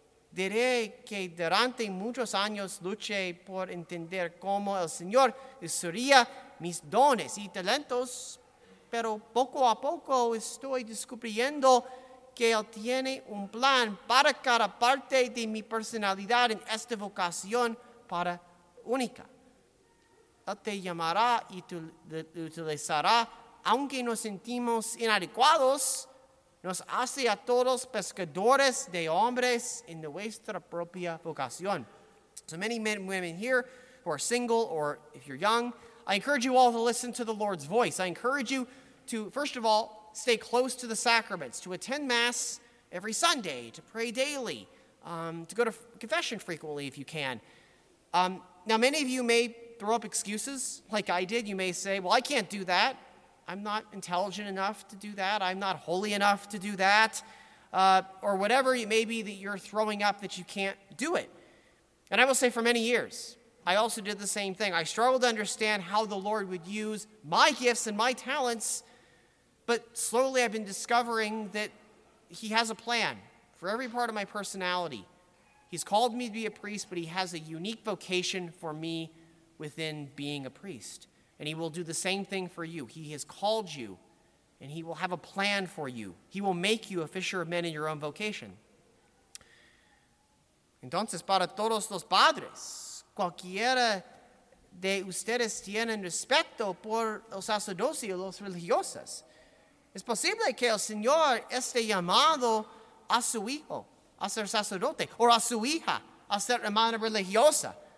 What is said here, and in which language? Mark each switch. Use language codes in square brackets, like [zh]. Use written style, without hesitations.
[es] Diré que durante muchos años luché por entender cómo el Señor usaría mis dones y talentos, pero poco a poco estoy descubriendo que Él tiene un plan para cada parte de mi personalidad en esta vocación para única. Él te llamará y te utilizará, aunque nos sentimos inadecuados, nos hace a todos pescadores de hombres en nuestra propia vocación. [en] So many men and women here who are single or if you're young, I encourage you all to listen to the Lord's voice. I encourage you to, first of all, stay close to the sacraments, to attend Mass every Sunday, to pray daily, to go to confession frequently if you can. Now, many of you may throw up excuses like I did. You may say, well, I can't do that. I'm not intelligent enough to do that. I'm not holy enough to do that. Or whatever it may be that you're throwing up that you can't do it. And I will say for many years, I also did the same thing. I struggled to understand how the Lord would use my gifts and my talents. But slowly I've been discovering that He has a plan for every part of my personality. He's called me to be a priest, but He has a unique vocation for me within being a priest. And He will do the same thing for you. He has called you, and He will have a plan for you. He will make you a fisher of men in your own vocation. [es] Entonces, para todos los padres, cualquiera de ustedes tienen respeto por los sacerdotes y los religiosos. Es posible que el Señor esté llamado a su hijo a ser sacerdote, o a su hija a ser hermana religiosa.